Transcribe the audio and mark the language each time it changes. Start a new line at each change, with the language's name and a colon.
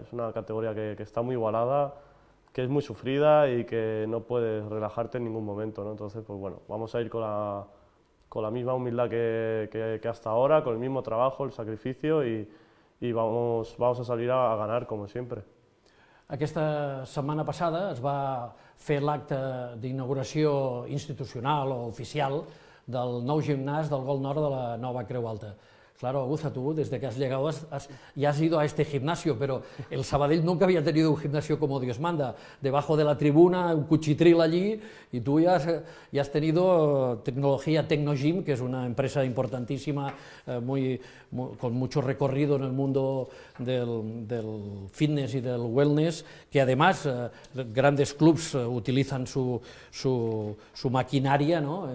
Spanish: Es una categoría que está muy igualada, que es muy sufrida y que no puedes relajarte en ningún momento, ¿no? Entonces, pues bueno, vamos a ir con la misma humildad que hasta ahora, con el mismo trabajo, el sacrificio y vamos a salir a ganar, como siempre.
Catalan: Aquesta setmana passada es va fer l'acte d'inauguració institucional o oficial del nou gimnàs del Gol Nord de la nova Creu Alta.
Spanish: Claro, Aguza, tú desde que has llegado has ido a este gimnasio, pero el Sabadell nunca había tenido un gimnasio como Dios manda. Debajo de la tribuna, un cuchitril allí, y tú ya has tenido tecnología Tecnogym, que es una empresa importantísima, con mucho recorrido en el mundo del fitness y del wellness, que además grandes clubs utilizan su maquinaria, ¿no?